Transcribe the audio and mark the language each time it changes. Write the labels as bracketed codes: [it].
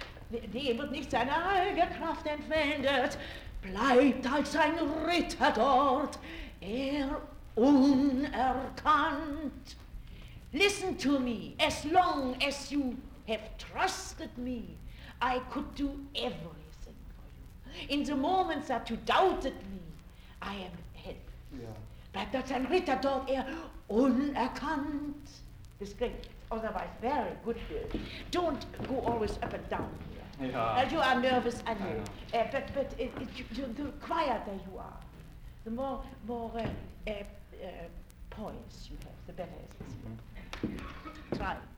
[de] Dem wird nicht seine eigene Kraft entwendet, bleibt als ein Ritter dort, unerkannt. [en] Listen to me, as long as you have trusted me, I could do everything for you. In the moments that you doubted me, I am helpless. Yeah. [de] Bleibt als ein Ritter dort, unerkannt. Das klingt. [en] Otherwise, very good. Don't go always up and down here. Yeah. You are nervous, I know. The quieter you are, the more poise you have, the better it is. Mm-hmm. Try.